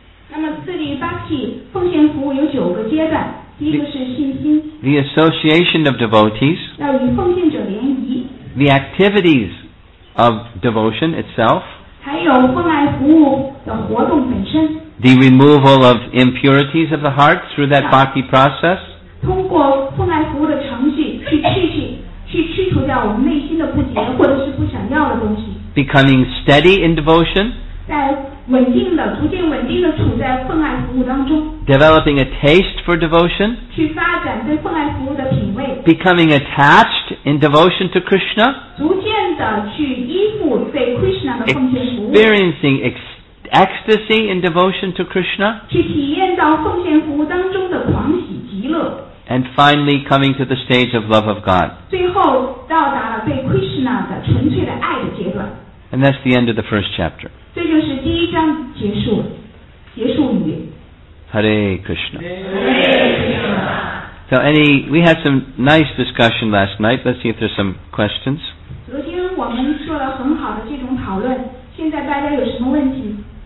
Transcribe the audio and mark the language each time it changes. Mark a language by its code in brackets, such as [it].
[zh] 那么这里 bhakti 奉献服务有九个阶段，第一个是信心。 [en] The association of devotees. [zh] 要与奉献者联谊。 [en] The activities of devotion itself, [zh] 还有奉爱服务的活动本身 [en] the removal of impurities of the heart through that bhakti process, [zh] 通过奉爱服务的程序去去除掉我们内心的不洁或者是不想要的东西 [en] becoming steady in devotion, [zh] 在稳定的逐渐稳定的处在奉爱服务当中 [en] developing a taste for devotion, [zh] 去发展对奉爱服务的品味 [en] becoming attached,In devotion to Krishna, Krishna experiencing ecstasy in devotion to Krishna. [zh] 去体验到奉献服务当中的狂喜极乐。 [en] And finally coming to the stage of love of God. [zh] 最后到达了对 Krishna 的纯粹的爱的阶段。 [en] And that's the end of the first chapter. [zh] 这就是第一章结束，结束语。 [sa] Hare Krishna. Hare Krishna. [en] So any, we had some nice discussion last night. Let's see if there's some questions. [zh] 昨天我们做了很好的这种讨论，现在大家有什么问题？